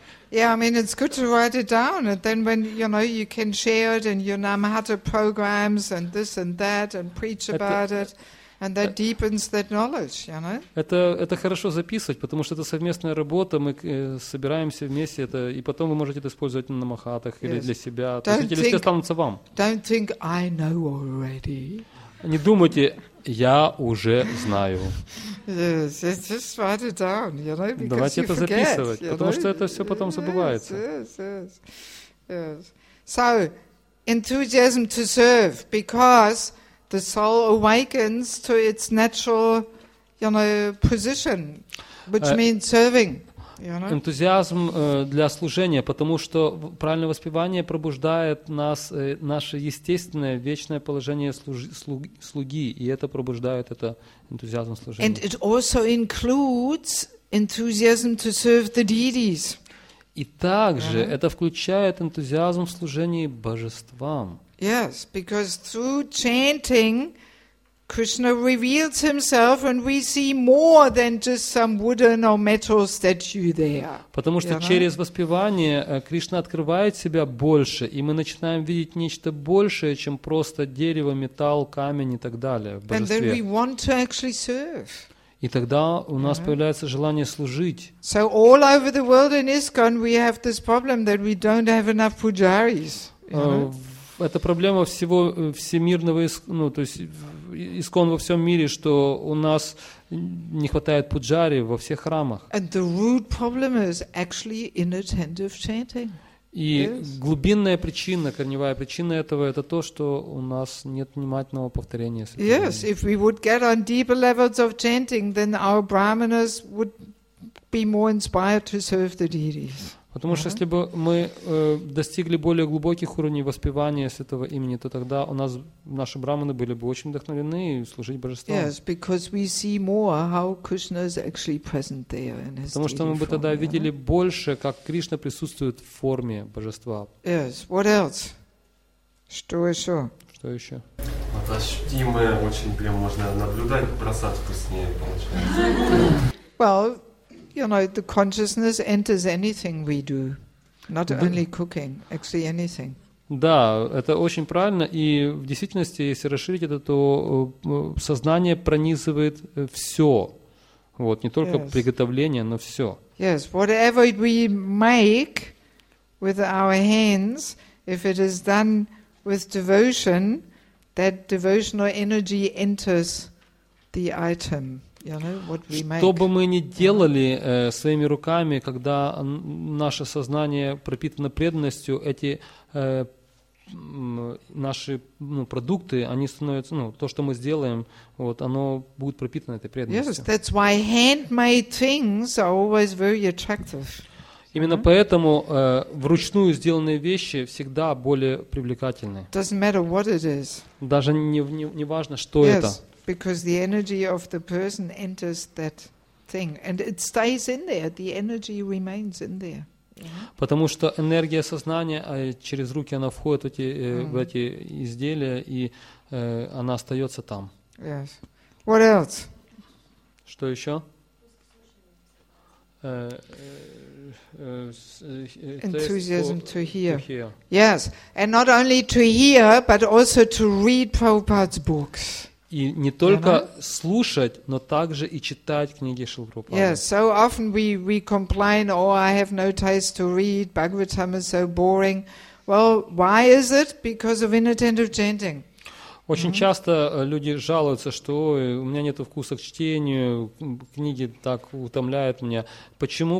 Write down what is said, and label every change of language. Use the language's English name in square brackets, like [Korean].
[English] Yeah, I mean it's good to write it down, and then when you know you can share it in your Namahata programs and this and that, and preach about it, and that deepens that knowledge, you know. [Russian] Это хорошо записывать, потому что это совместная работа. Мы собираемся вместе, это и потом вы можете это использовать на намахатах или для себя. [English] Don't think. [Russian] Останутся вам. [English] Don't think I know already. [Russian] Не думайте, я уже знаю. [English] Yes, just write it down, you know, because [Russian] давайте [English] you [Russian] это [English] forget, [Russian] записывать, [English] you [Russian] потому [English] know? [Russian] Что это все потом [English] yes, [Russian] забывается. [English] Yes, yes, yes. So, enthusiasm to serve, because the soul awakens to its natural, you know, position, which means serving. [Russian] Энтузиазм для служения, потому что правильное воспевание пробуждает нас, наше естественное вечное положение слуги, и это пробуждает это энтузиазм служения. [English] And it also includes enthusiasm to serve the deities. [Russian] И также uh-huh. это включает энтузиазм в служении божествам. [English] Yes, because through chanting Krishna reveals himself and we see more than just some wooden or metal statue there. [Russian] Потому что через воспевание Кришна открывает себя больше, и мы начинаем видеть нечто большее, чем просто дерево, металл, камень и так далее в божестве. [English] And then we want to actually serve. [Russian] И тогда у нас появляется желание служить. [English] So all over the world in ISKCON we have this problem that we don't have enough pujaris. [Russian] Это проблема всего всемирного, ну, то есть искон во всем мире, что у нас не хватает пуджари во всех храмах. [English] And the root problem is actually inattentive chanting. [Russian] И глубинная причина, корневая причина этого, это то, что у нас нет внимательного повторения. [English] Yes, if we would get on deeper levels of chanting, then our brahmanas would be more inspired to serve the deities. [Russian] Потому что если бы мы достигли более глубоких уровней воспевания святого имени, то тогда у нас наши брахманы были бы очень вдохновлены служить божествам. [English] Yes, because we see more how Krishna is actually present there in his. [Russian] Потому что мы бы тогда видели больше, как Кришна присутствует в форме божества. [English] Yes. What else? [Russian] Что еще? Что еще? Это ощутимое очень прям можно наблюдать просадку с ней получается. [English] Well. You know, the consciousness enters anything we do, not only cooking, actually anything. [Russian] Да, это очень правильно, и в действительности, если расширить это, то сознание пронизывает все, вот не только приготовление, но все. [English] Yes, whatever we make with our hands, if it is done with devotion, that devotional energy enters the item. [Russian] Что бы мы ни делали своими руками, когда наше сознание пропитано преданностью, эти наши продукты, они становятся, то, что мы сделаем, вот, оно будет пропитано этой преданностью. [English] Yes, that's why handmade things are always very attractive. [Russian] Именно поэтому вручную сделанные вещи всегда более привлекательны. [English] Doesn't matter what it is. [Russian] Даже не важно, что это. [English] Because the energy of the person enters that thing, and it stays in there. The energy remains in there. [Russian] Потому что энергия сознания через руки она входит в эти изделия и она остается там. [English] Yes. What else? [Russian] Что еще? [English] Enthusiasm to hear. Yes, and not only to hear, but also to read Prabhupada's books. [Russian] И не только слушать, но также и читать книги Шрилы Прабхупады. [English] Yes, so often we complain, oh, I have no taste to read, Bhagavatam is so boring. Well, why is it? Because of inattentive chanting. [Russian] Очень часто люди жалуются, что у меня нет вкуса к чтению, книги так утомляют меня. Почему?